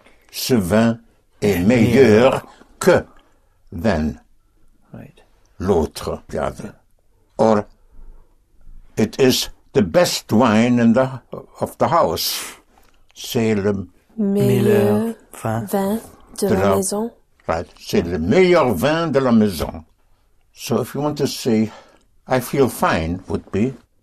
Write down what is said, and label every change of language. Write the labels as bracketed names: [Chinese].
[French] Ce vin est meilleur que [English] than. Right. [French] L'autre, [English] the other. Or, it is the best wine in the of the house. [French] C'est le meilleur vin de la maison. [English] Right. [French] C'est le meilleur vin de la maison. [English] So if you want to say, I feel fine, would be?